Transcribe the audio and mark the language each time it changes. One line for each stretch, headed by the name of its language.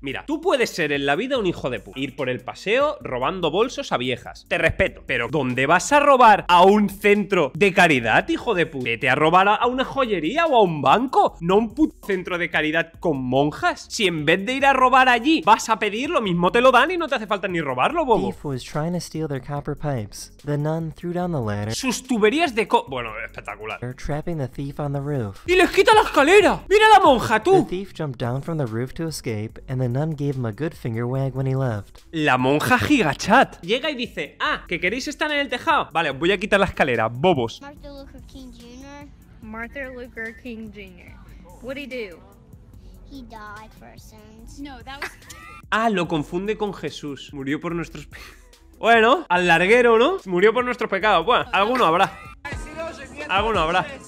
Spanish: Mira, tú puedes ser en la vida un hijo de puta. Ir por el paseo robando bolsos a viejas. Te respeto. Pero ¿dónde vas a robar a un centro de caridad, hijo de puta? ¿Vete a robar a una joyería o a un banco? ¿No un puto centro de caridad con monjas? Si en vez de ir a robar allí, vas a pedir, lo mismo te lo dan y no te hace falta ni robarlo, bobo.
English: Thief was trying to steal their copper pipes. The nun threw down the ladder.
Spanish: Sus tuberías de co... Bueno, espectacular.
English: They're trapping the thief on the roof.
Spanish: ¡Y les quita la escalera! ¡Mira la monja, tú!
English: The thief jumped down from the roof to escape, and the nun gave him a good finger wag when he left.
Spanish: La monja gigachat llega y dice, ah, que queréis estar en el tejado. Vale, voy a quitar la escalera, bobos.
English: Martha Luther King Jr. Martha Luther King Jr. What'd he do? He died for sins. No, that was.
Spanish: Ah, lo confunde con Jesús. Murió por nuestros. Bueno, al larguero, ¿no? Murió por nuestros pecados. Bueno, alguno habrá. Alguno habrá.